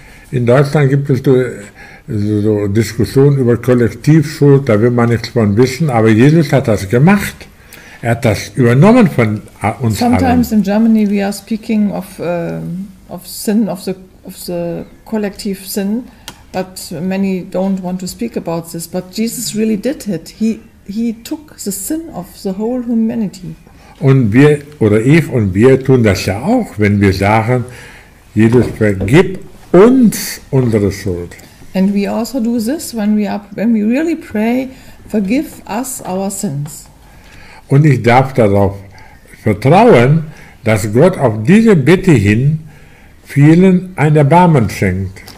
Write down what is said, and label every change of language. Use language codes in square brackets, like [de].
[de] In Deutschland gibt es so Diskussionen über Kollektivschuld, da will man nichts von wissen, aber Jesus hat das gemacht. Er hat das übernommen von uns allen. [en] Sometimes [de] allen. [en] In Germany we are speaking of sin, of the collective sin, but many don't want to speak about this, but Jesus really did it. He took the sin of the whole humanity. [de] Und wir, oder ich und wir, tun das ja auch, wenn wir sagen, Jesus, vergib uns unsere Schuld. [en] And we also do this when we really pray, forgive us our sins. [de] Und ich darf darauf vertrauen, dass Gott auf diese Bitte hin vielen ein Erbarmen schenkt.